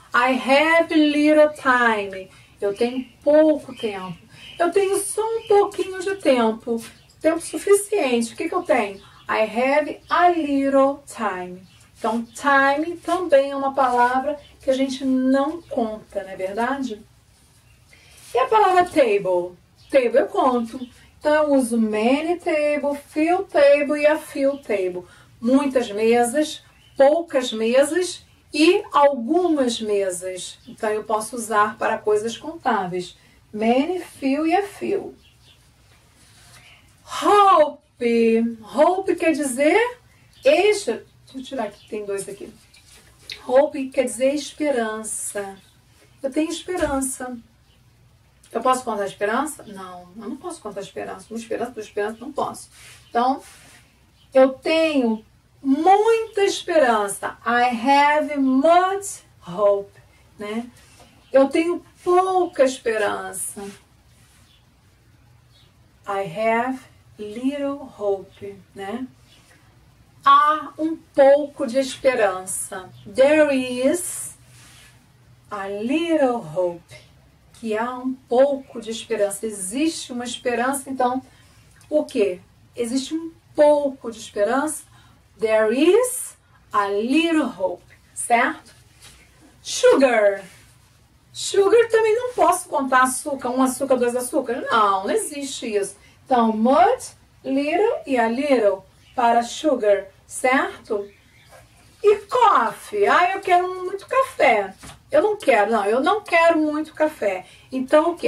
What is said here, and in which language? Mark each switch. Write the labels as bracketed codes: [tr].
[en] I have little time. [pt] Eu tenho pouco tempo. Eu tenho só um pouquinho de tempo. Tempo suficiente. O que que eu tenho? [en] I have a little time. [pt] Então, time também é uma palavra que a gente não conta, não é verdade? E a palavra table? Table eu conto. Então, eu uso many table, few table e a few table. Muitas mesas, poucas mesas e algumas mesas. Então, eu posso usar para coisas contáveis. Many, few e a few. Hope. Hope quer dizer... Deixa eu tirar aqui, tem dois aqui. Hope quer dizer esperança. Eu tenho esperança. Eu posso contar a esperança? Não, eu não posso contar a esperança. Uma esperança, duas esperanças, não posso. Então, eu tenho muita esperança. [en] I have much hope, né? [pt] Eu tenho pouca esperança. [en] I have little hope, [pt] né? Há um pouco de esperança. [en] There is a little hope. [pt] Que há um pouco de esperança. Existe uma esperança, então, o quê? Existe um pouco de esperança. [en] There is a little hope, certo? Sugar. [pt] Sugar também não posso contar açúcar, um açúcar, dois açúcares. Não, não existe isso. Então, much, little e a little para sugar, certo? E coffee. Ah, eu quero muito café. Eu não quero, não, eu não quero muito café. Então, o quê?